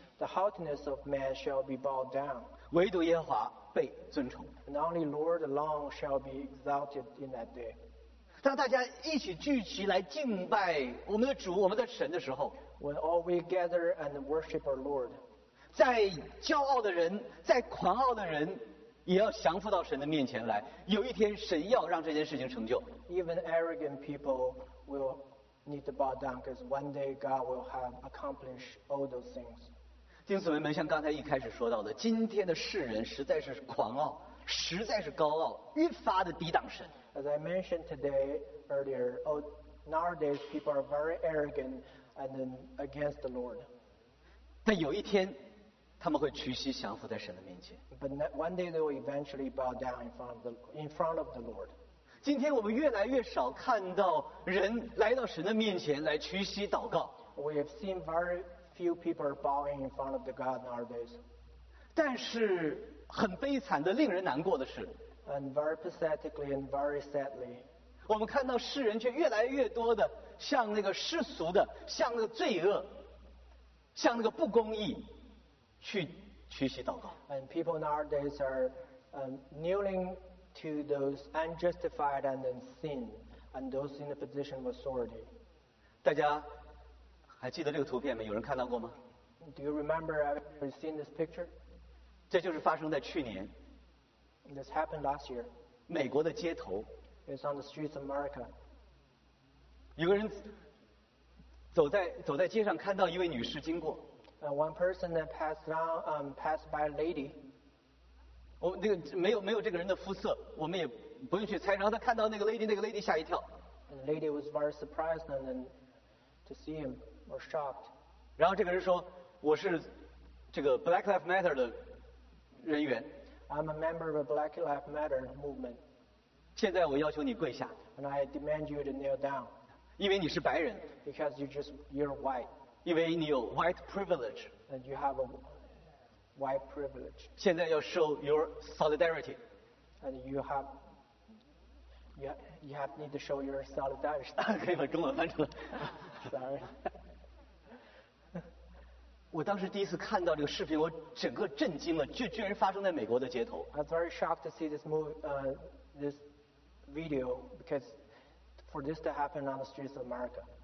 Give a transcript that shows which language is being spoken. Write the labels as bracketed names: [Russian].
[English] The haughtiness of man shall be bowed down. [Chinese] 唯独耶和华被尊崇。 [English] And only Lord alone shall be exalted in that day. [Chinese] 当大家一起聚集来敬拜我们的主，我们的神的时候， [English] when all we gather and worship our Lord, [Chinese] 在骄傲的人，在狂傲的人也要降服到神的面前来，有一天神要让这件事情成就。 [English] Even arrogant people will need to bow down because one day God will have accomplished all those things. [Chinese] 弟兄姊妹们，像刚才一开始说到的，今天的世人实在是狂傲，实在是高傲，越发的抵挡神。 [English] As I mentioned today earlier, nowadays people are very arrogant and then against the Lord. [Chinese] 但有一天他们会屈膝降服在神的面前。 [English] But one day they will eventually bow down in front of the Lord. [Chinese] 今天我们越来越少看到人来到神的面前来屈膝祷告。 [English] We have seen very few people bowing in front of the God nowadays. [Chinese] 但是很悲惨的，令人难过的是， [English] And very pathetically and very sadly, [Chinese] 我们看到世人却越来越多的向那个世俗的，向那个罪恶，向那个不公义去屈膝祷告。 [English] And people nowadays are kneeling to those unjustified and then sin and those in a position of authority. [Chinese] 大家还记得这个图片吗？有人看到过吗？ [English] Do you remember, have you seen this picture? [Chinese] 这就是发生在去年。 [English] This happened last year. [Chinese] 美国的街头。 [English] It's on the streets of America. [Chinese] 有个人走在街上，看到一位女士经过。 [English] One person that passed down, passed by a lady. [Chinese] 我那个没有这个人的肤色，我们也不用去猜。然后他看到那个 lady 吓一跳。 [English] And the lady was very surprised and then to see him or shocked. [Chinese] 然后这个人说，我是这个 Black Lives Matter 的人员。 [English] I'm a member of a Black Lives Matter movement. [Chinese] 现在我要求你跪下。 [English] And I demand you to kneel down. [Chinese] 因为你是白人。 [English] Because you're white. [Chinese] 因为你有 [English] white privilege, and you have a white privilege. [Chinese] 现在要 [English] show your solidarity, and you have need to show your solidarity. [Chinese] 可以把中文翻出来。 [English] Sorry. [Chinese] 我当时第一次看到这个视频，我整个震惊了，这居然发生在美国的街头。 [English] I was very shocked to see this movie, this video, because for this to happen on the streets of America.